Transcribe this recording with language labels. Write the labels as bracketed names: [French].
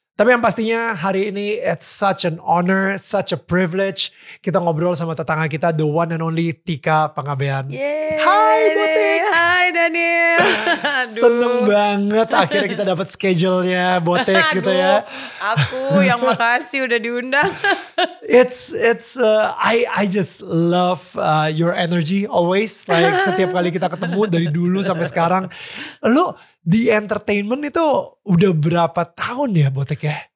[Indonesian] Tapi yang pastinya hari ini [English] it's such an honor, such a privilege. [Indonesian] Kita ngobrol sama tetangga kita, [English] the one and only [Indonesian] Tika Panggabean. Hai Botik. Hai Daniel. Seneng banget akhirnya kita dapat schedule-nya Botik gitu ya. Aku yang makasih udah diundang. [English] I just love your energy always. [Indonesian] Like setiap kali kita ketemu dari dulu sampai sekarang. Lu di entertainment itu udah berapa tahun ya Botek ya?